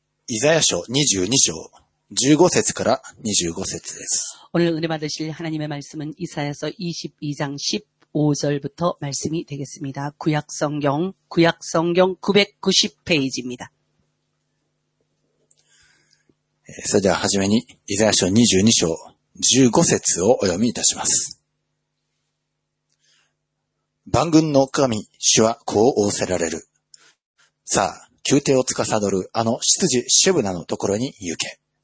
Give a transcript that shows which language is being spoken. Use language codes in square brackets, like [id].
[ko] 이사야서22장15절から25절입니 다. 오늘은혜받으실하나님의말씀은이사야서22장15절부터말씀이되겠습니다. 구약성경990페이지입니다. [ja] それでは初めに [ko] 이사야서22장15절을 [ja] お読みいたします。万軍の神主はこう仰せられる。さあ宮廷を司るあの執事シェブナのところに行け。